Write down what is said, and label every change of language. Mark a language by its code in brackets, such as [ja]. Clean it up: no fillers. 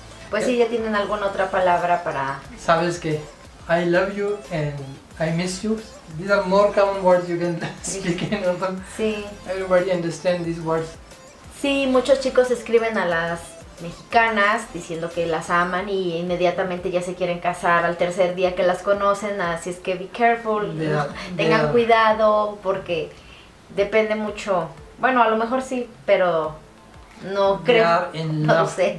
[es] Pues ¿qué? Si ya tienen alguna otra palabra para. Sabes que [en] I love you and I miss you. These are more common words you can speak in Urdu. [es] Sí. [en] Everybody understand these words. [es] Sí, muchos chicos escriben a las mexicanas diciendo que las aman y inmediatamente ya se quieren casar al tercer día que las conocen, así es que [en] be careful, [es] tengan cuidado porque depende mucho. Bueno, a lo mejor sí, pero no creo, no sé.